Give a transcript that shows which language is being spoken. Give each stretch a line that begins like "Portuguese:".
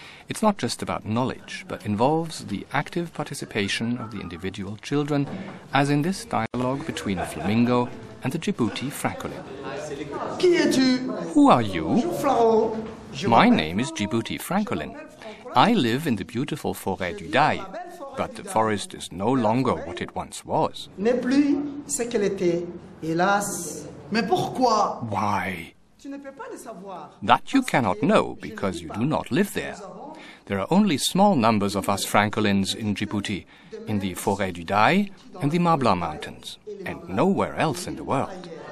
English: It's not just about knowledge, but involves the active participation of the individual children, as in this dialogue between a flamingo and the Djibouti Francolin.
French: Qui es-tu?
English: Who are you?
French: Bonjour,
English: my name is Djibouti Francolin. I live in the beautiful forêt du Daï, but the forest is no longer what it once was.
French: N'est plus ce qu'elle était, hélas. Mais pourquoi?
English: Why? That you cannot know because you do not live there. There are only small numbers of us Francolins in Djibouti, in the Forêt du Daï and the Mabla Mountains, and nowhere else in the world.